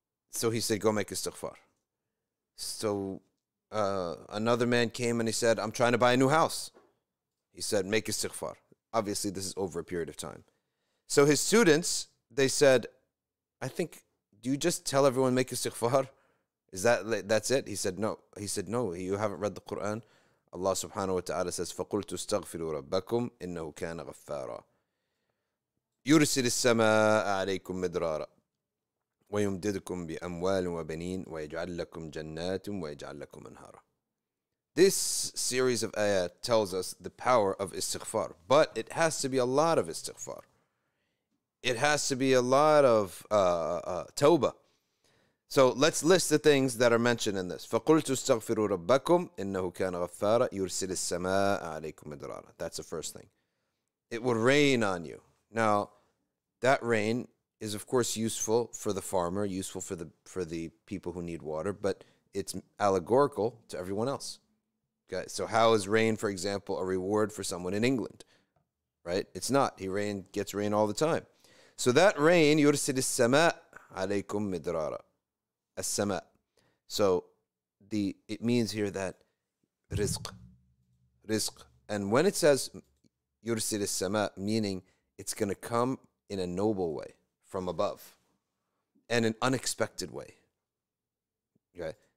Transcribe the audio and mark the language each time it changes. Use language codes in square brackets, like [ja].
[en] So he said, go make istighfar. So another man came and he said, I'm trying to buy a new house. He said, make istighfar. Obviously, this is over a period of time. So his students, they said, I think, do you just tell everyone make istighfar? Is that's it? He said, no. You haven't read the Quran. Allah subhanahu wa ta'ala says, [ar] فَقُلْتُ اسْتَغْفِرُوا رَبَّكُمْ إِنَّهُ كَانَ غَفَّارًا يُرْسِلِ السَّمَاءَ عَلَيْكُمْ مِدْرَارًا وَيُمْدِدْكُمْ بِأَمْوَالٍ وَبَنِينَ وَيَجْعَلْ لَكُمْ جَنَّاتٍ وَيَجْعَلْ لَكُمْ أَنْهَارًا. [en] This series of ayat tells us the power of istighfar. But it has to be a lot of istighfar. It has to be a lot of tawba. So let's list the things that are mentioned in this. [ar] فَقُلْتُ اسْتَغْفِرُوا رَبَّكُمْ إِنَّهُ كَانَ غَفَّارًا يُرْسِلِ السَّمَاءَ عَلَيْكُمْ مِدْرَارًا. [en] That's the first thing. It will rain on you. Now, that rain is, of course, useful for the farmer, useful for the people who need water, but it's allegorical to everyone else. Okay? So how is rain, for example, a reward for someone in England? Right? It's not. He gets rain all the time. So that rain, [ar] يُرْسِلِ السَّمَاءَ عَلَيْكُمْ مِدْرَارًا. [en] As-sama. So it means here that rizq. And when it says yursil as-sama, meaning it's going to come in a noble way from above and an unexpected way. Okay?